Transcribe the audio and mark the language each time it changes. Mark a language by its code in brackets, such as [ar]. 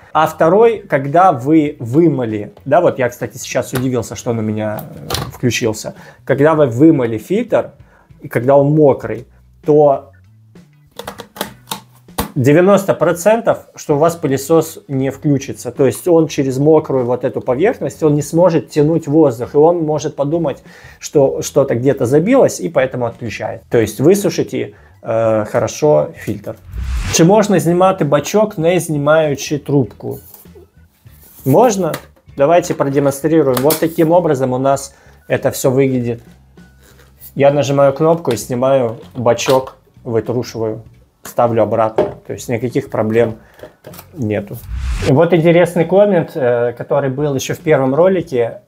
[ru] А второй, когда вы вымыли, да, вот я, кстати, сейчас удивился, что он у меня включился, когда вы вымыли фильтр, и когда он мокрый, то 90%, что у вас пылесос не включится. То есть он через мокрую вот эту поверхность, он не сможет тянуть воздух, и он может подумать, что что-то где-то забилось, и поэтому отключает. То есть высушите хорошо фильтр. [uk] Чи можна знімати бачок, не знімаючи трубку? Можна? [ru] Давайте продемонстрируем. Вот таким образом у нас это все выглядит. Я нажимаю кнопку и снимаю бачок, вытрушиваю, ставлю обратно. То есть никаких проблем нету. И вот интересный коммент, который был еще в первом ролике.